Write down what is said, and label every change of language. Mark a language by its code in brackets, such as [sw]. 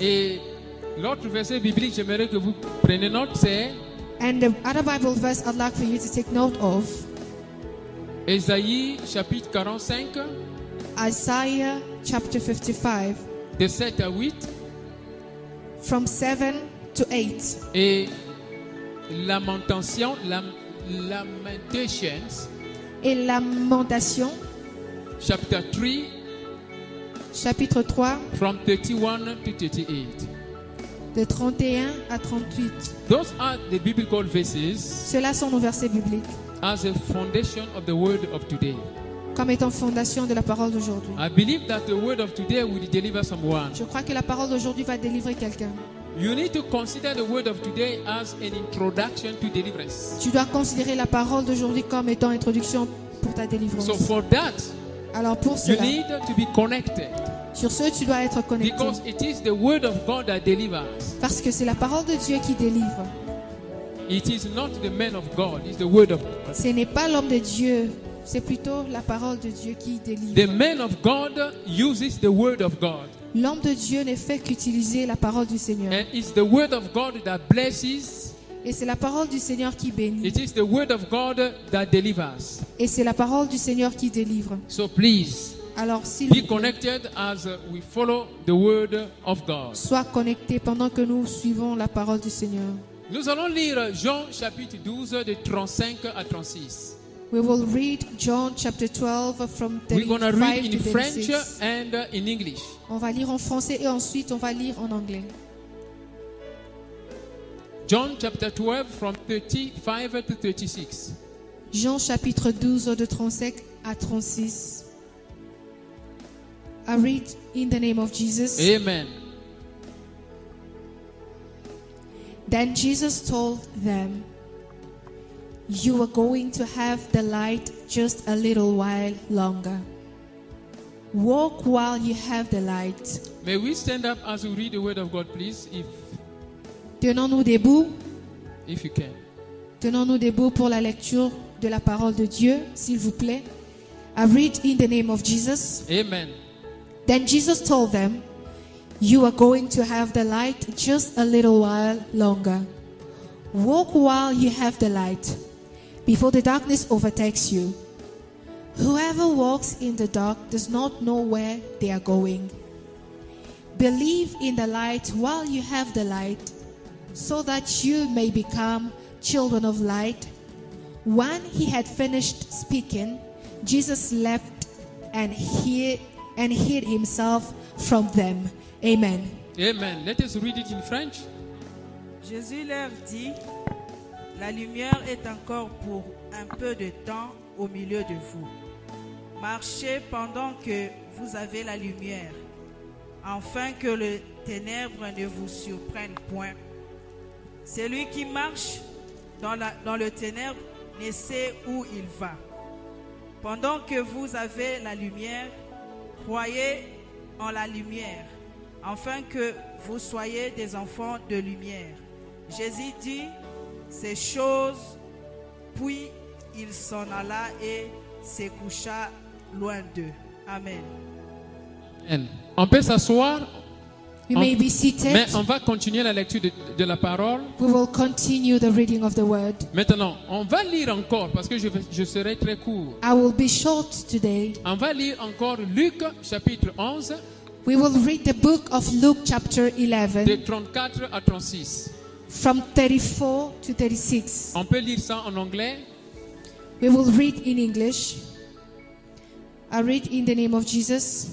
[fr] Et l'autre verset biblique, j'aimerais que vous preniez note, c'est. [en] And the other Bible verse I'd like for you to take note of. [fr] Ésaïe chapitre 45. [en] Isaiah chapter 55. [fr] De 7 à 8. [en] From 7 to 8. [fr] Et Lamentations, Lamentations. Et Lamentations. Chapitre 3. Chapitre 3. [en] From 31 to 38. [fr] De 31 à 38. [en] Those are the biblical verses. [fr] Cela sont nos versets bibliques. [en] As a foundation of the word of today. [fr] Comme étant fondation de la parole d'aujourd'hui. [en] I believe that the word of today will deliver someone. [fr] Je crois que la parole d'aujourd'hui va délivrer quelqu'un. [en] You need to consider the word of today as an introduction to deliverance. [fr] Tu dois considérer la parole d'aujourd'hui comme étant introduction pour ta délivrance. [en] So for that. [fr] Alors pour cela. [en] You need to be connected. [fr] Sur ce, tu dois être connecté. [en] Because it is the word of God that delivers. [fr] Parce que c'est la parole de Dieu qui délivre. [en] It is not the man of God, it's the word of God. [fr] Ce n'est pas l'homme de Dieu, c'est plutôt la parole de Dieu qui délivre. [en] The man of God uses the word of God. [fr] L'homme de Dieu n'est fait qu'utiliser la parole du Seigneur. [en] And it's the word of God that blesses. [fr] Et c'est la parole du Seigneur qui bénit. [en] It is the word of God that delivers. [fr] Et c'est la parole du Seigneur qui délivre. [en] So please. [fr] Alors, [en] s'il be connected as we follow the word of God. [fr] Sois connecté pendant que nous suivons la parole du Seigneur. Nous allons lire Jean chapitre 12 de 35 à 36. [en] We will read John chapter 12 from 35 to 36. We're going to read in French and in English. [fr] On va lire en français et ensuite on va lire en anglais. [en] John chapter 12 from 35 to 36. [fr] Jean chapitre 12 de 35 à 36. [en] I read in the name of Jesus. Amen. Then Jesus told them, "You are going to have the light just a little while longer. Walk while you have the light." May we stand up as we read the word of God, please, if. [fr] Tenons-nous debout. [en] If you can. [fr] Tenons-nous debout pour la lecture de la parole de Dieu, s'il vous plaît. [en] I read in the name of Jesus. Amen. Then Jesus told them, "You are going to have the light just a little while longer. Walk while you have the light, before the darkness overtakes you. Whoever walks in the dark does not know where they are going. Believe in the light while you have the light, so that you may become children of light." When he had finished speaking, Jesus left and hid himself from them. Amen. Amen. Let us read it in French. [fr] Jésus leur dit, "La lumière est encore pour un peu de temps au milieu de vous. Marchez pendant que vous avez la lumière, afin que le ténèbre ne vous surprenne point. Celui qui marche dans le ténèbre ne sait où il va. Pendant que vous avez la lumière, croyez en la lumière, afin que vous soyez des enfants de lumière." Jésus dit ces choses, puis il s'en alla et se coucha loin d'eux. Amen. Amen. On peut s'asseoir. [en] You may be seated. [fr] Mais on va continuer la lecture de la parole. [en] We will continue the reading of the word. [fr] Maintenant, on va lire encore parce que je serai très court. [en] I will be short today. [fr] On va lire encore Luc chapitre 11. [en] We will read the book of Luke chapter 11. [fr] De 34 à 36. [en] From 34 to 36. [fr] On peut lire ça en anglais. [en] We will read in English. I read in the name of Jesus.